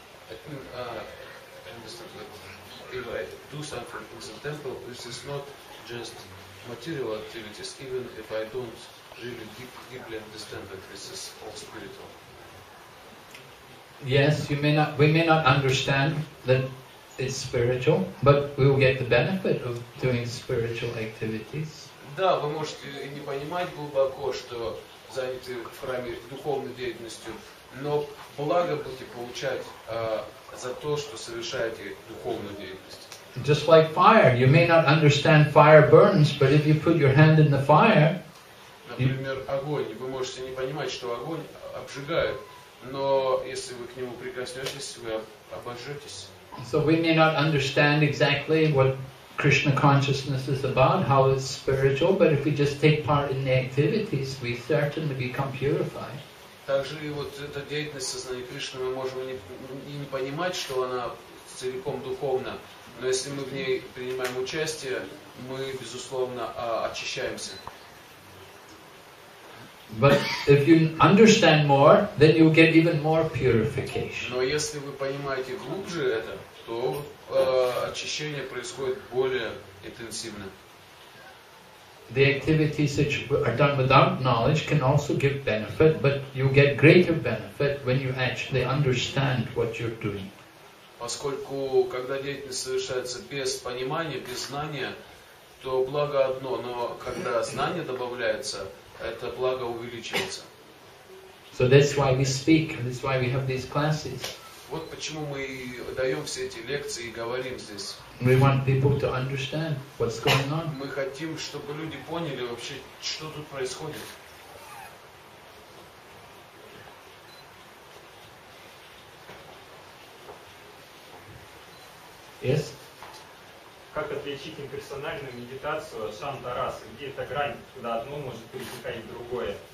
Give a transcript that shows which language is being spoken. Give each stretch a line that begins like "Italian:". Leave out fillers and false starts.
English: I understand that if I do something in the temple, this is not just material activities, even if I don't really deeply understand that this is all spiritual. Yes, we may not understand that it's spiritual, but we will get the benefit of doing spiritual activities.
Russian: Да, вы можете не понимать глубоко, что заняты в храме духовной деятельностью, но благо будете получать за то, что совершаете духовную деятельность.
English: Just like fire, you may not understand fire burns, but if you put your hand in the fire,
Russian: например, огонь. Вы можете не понимать, что огонь обжигает, но если вы к нему прикоснетесь, вы обожжетесь.
English: So we may not understand exactly what Krishna consciousness is about, how it's spiritual, but if we just take part in the activities, we certainly become purified.
Russian: Также и вот эта деятельность сознания Кришны мы можем не понимать, что она целиком духовна, но если мы в ней принимаем участие, мы безусловно очищаемся.
English: But if you understand more, then you get even more purification.
Russian: Но если вы понимаете глубже это, то очищение происходит более интенсивно.
English: The activities which are done without knowledge can also give benefit, but you get greater benefit when you actually understand what you're doing.
Russian: Поскольку когда деятельность совершается без понимания, без знания, то благо одно, но когда знание добавляется, это благо увеличивается.
English: So that's why we speak, that's why we have these classes.
Russian: Вот почему мы даем все эти лекции и говорим здесь.
English: We want people to understand what's going on.
Russian: Мы хотим, чтобы люди поняли вообще, что тут происходит.
English: Yes?
Russian: Как отличить имперсональную медитацию от шанта-расы? Где эта грань, куда одно может перетекать в другое?